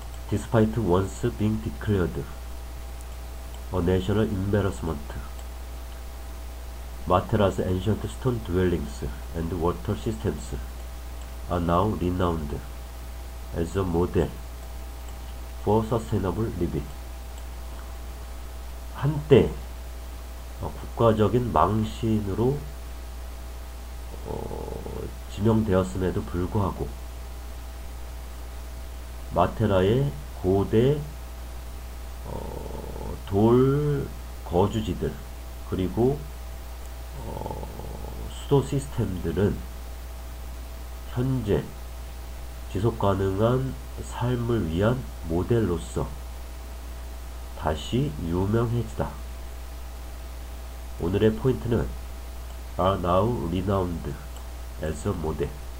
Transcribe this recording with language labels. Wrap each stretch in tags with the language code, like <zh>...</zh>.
<en>Despite once being declared a national embarrassment, Materas ancient stone dwellings and water systems are now renowned as a model for sustainable living.</en> <ko>한때 국가적인 망신으로 지명되었음에도 불구하고 마테라의 고대 돌 거주지들 그리고 수도 시스템들은 현재 지속 가능한 삶을 위한 모델로서 다시 유명해지다. 오늘의 포인트는</ko> <en>are now renowned as a model.</en>